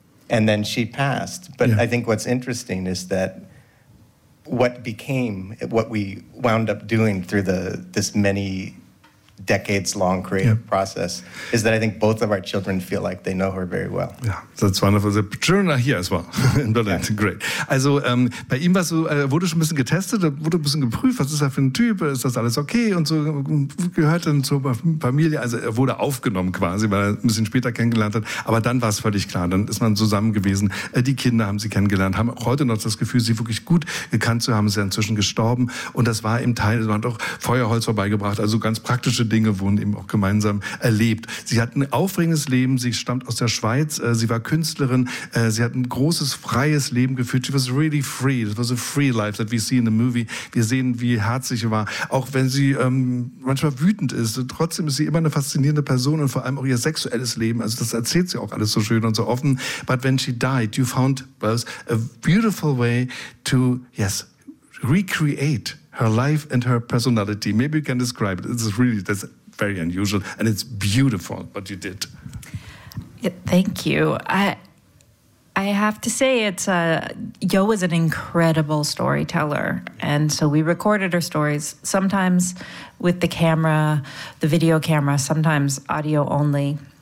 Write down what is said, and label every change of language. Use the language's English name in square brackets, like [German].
[English] And then she passed. But yeah. I think what's interesting is that what became, what we wound up doing through this many decades-long creative yeah. process is that I think both of our children feel like they know her very well. Yeah, that's wonderful. The children are here as well in Berlin. Yeah. Great. [German] Also, bei ihm war's so, wurde schon ein bisschen getestet, wurde ein bisschen geprüft, was ist er für ein Typ, ist das alles okay und so, gehört dann zur Familie. Also er wurde aufgenommen quasi, weil er ein bisschen später kennengelernt hat. Aber dann war es völlig klar, dann ist man zusammen gewesen. Die Kinder haben sie kennengelernt, haben auch heute noch das Gefühl, sie wirklich gut gekannt zu haben. Sie sind inzwischen gestorben und das war im Teil, man hat auch Feuerholz vorbeigebracht, also ganz praktische Dinge wurden eben auch gemeinsam erlebt. Sie hat ein aufregendes Leben, sie stammt aus der Schweiz, sie war Künstlerin, sie hat ein großes, freies Leben geführt. [English] She was really free, it was a free life that we see in the movie. [German] Wir sehen, wie herzlich sie war, auch wenn sie manchmal wütend ist. Trotzdem ist sie immer eine faszinierende Person und vor allem auch ihr sexuelles Leben. Also das erzählt sie auch alles so schön und so offen. [English] But when she died, you found a beautiful way to, yes, recreate her life and her personality. Maybe you can describe it. That's very unusual, and it's beautiful what you did. Yeah, thank you. I have to say Yo is an incredible storyteller, and so we recorded her stories sometimes with the camera, the video camera, sometimes audio only.